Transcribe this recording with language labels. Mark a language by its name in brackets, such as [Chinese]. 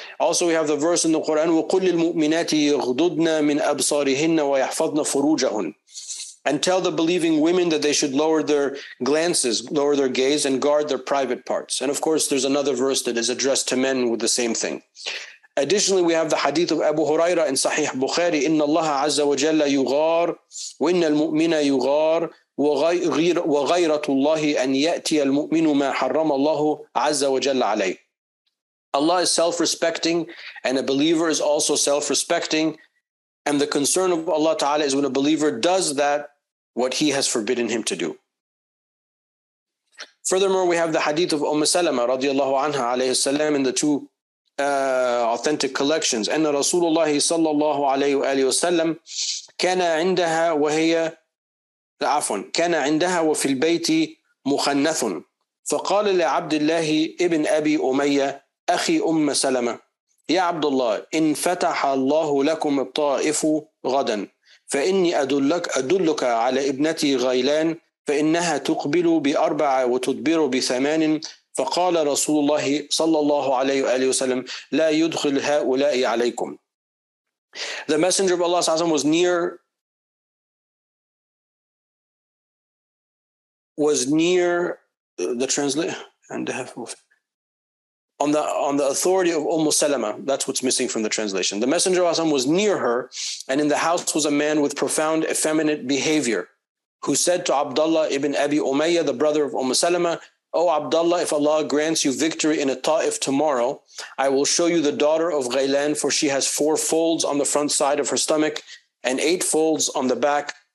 [English] Also, we have the verse in the Quran, [Arabic] وَقُلْ لِلْمُؤْمِنَاتِ يَغْضُضْنَ مِنْ أَبْصَارِهِنَّ وَيَحْفَظْنَ فُرُوجَهُنَّ. [English] And tell the believing women that they should lower their glances, lower their gaze, and guard their private parts. And of course, there's another verse that is addressed to men with the same thing. Additionally, we have the hadith of Abu Huraira in Sahih Bukhari, [Arabic] إِنَّ اللَّهَ عَزَّ وَجَلَّ يُغَارْ وَإِنَّ الْمُؤْمِنَ يُغَارْ وَغَيْرَةُ اللَّهِ أَنْ يَأْتِيَ الْمُؤْمِنُ مَا حَرَّمَ اللَّهُ عَزَّ وَجَلَّ عَلَيْهِ. [English] Allah is self-respecting, and a believer is also self-respecting. And the concern of Allah Ta'ala is when a believer does that, what he has forbidden him to do. Furthermore, we have the hadith of Umm Salama radiallahu anha alayhi salam in the two authentic collections. [Arabic] أن رسول الله صلى الله عليه وآله وسلم كان عندها وهي عفواً كان عندها وفي البيت مخنث فقال لعبد الله ابن أبي أمية أخي أم سلمة يا عبد الله إن فتح الله لكم الطائف غدا فإني أدلك على ابنتي غيلان فإنها تقبل بأربعة وتدبر بثمان فقال رسول الله صلى الله عليه وآله وسلم لا يدخل هؤلاء عليكم. [English] The messenger of Allah صلى الله عليه وسلم was near the translation and on the authority of Umm Salama. That's what's missing from the translation. The messenger of Allah was near her, and in the house was a man with profound effeminate behavior who said to Abdullah ibn Abi Umayyah, the brother of Umm Salama, O Abdullah, if Allah grants you victory in a ta'if tomorrow, I will show you the daughter of Ghaylan, for she has four folds on the front side of her stomach and eight folds on the back.